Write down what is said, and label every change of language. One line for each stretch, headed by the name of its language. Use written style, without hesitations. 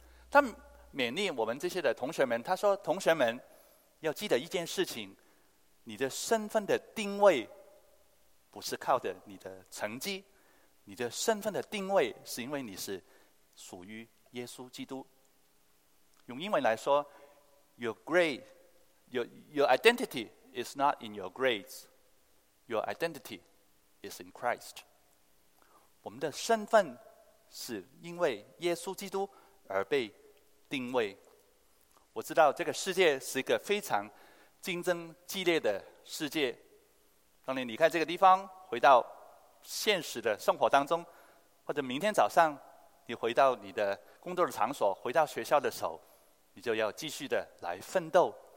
Chinese: 他勉励我们这些的同学们，他说，同学们要记得一件事情，你的身份的定位不是靠着你的成绩，你的身份的定位是因为你是属于耶稣基督。用英文来说，
English: your identity is not in your grades, your identity is in Christ。
Chinese: 我们的身份是因为耶稣基督而被定位。我知道这个世界是一个非常竞争激烈的世界，当你离开这个地方回到现实的生活当中，或者明天早上你回到你的工作的场所，回到学校的时候，你就要继续的来奋斗。